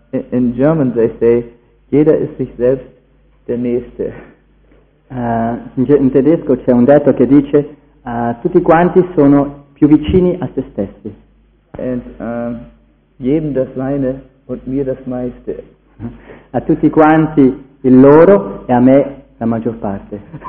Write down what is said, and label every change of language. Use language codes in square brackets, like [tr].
[en] In German they say, [de] jeder ist sich selbst der Nächste. [it] In tedesco c'è un detto che dice, tutti quanti sono più vicini a se stessi. [de] And jedem das seine und mir das meiste. [it] A tutti quanti il loro e a me la maggior parte.